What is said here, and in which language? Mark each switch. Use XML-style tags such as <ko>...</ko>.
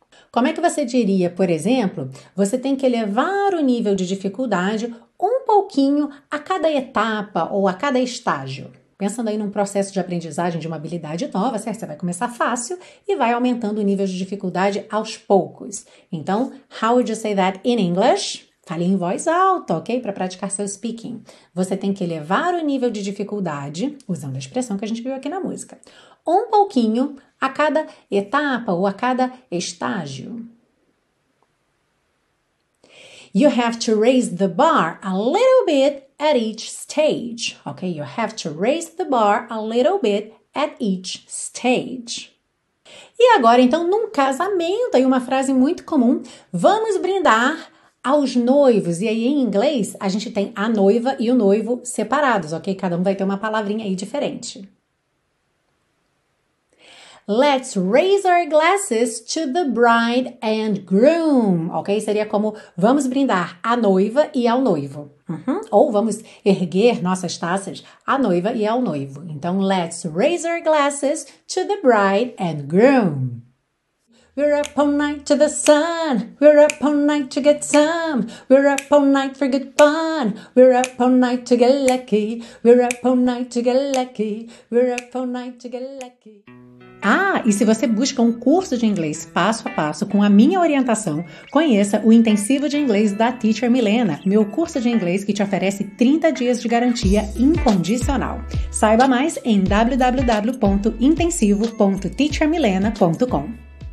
<pt>Como é que você diria, por exemplo, você tem que elevar o nível de dificuldade um pouquinho a cada etapa ou a cada estágio? Pensando aí num processo de aprendizagem de uma habilidade nova, certo? Você vai começar fácil e vai aumentando o nível de dificuldade aos poucos. Então,</pt> <en>how would you say that in English?</en> <pt>Fale em voz alta, ok? Para praticar seu speaking. Você tem que elevar o nível de dificuldade, usando a expressão que a gente viu aqui na música, um pouquinho a cada etapa ou a cada estágio.</pt> <en>You have to raise the bar a little bit at each stage, ok? You have to raise the bar a little bit at each stage.</en> <pt>E agora, então, num casamento, aí uma frase muito comum, vamos brindar aos noivos. E aí, em inglês, a gente tem a noiva e o noivo separados, ok? Cada um vai ter uma palavrinha aí diferente.</pt> <en>Let's raise our glasses to the bride and groom, ok?</en> <pt>Seria como vamos brindar à noiva e ao noivo. Uhum. Ou vamos erguer nossas taças à noiva e ao noivo. Então,</pt> <en>let's raise our glasses to the bride and groom. We're up all night to the sun. We're up all night to get some. We're up all night for good fun. We're up all night to get lucky. We're up all night to get lucky. We're up all night to get lucky.</en> <pt>Ah, e se você busca um curso de inglês passo a passo com a minha orientação, conheça o Intensivo de Inglês da Teacher Milena, meu curso de inglês que te oferece 30 dias de garantia incondicional. Saiba mais em www.intensivo.teachermilena.com.</pt>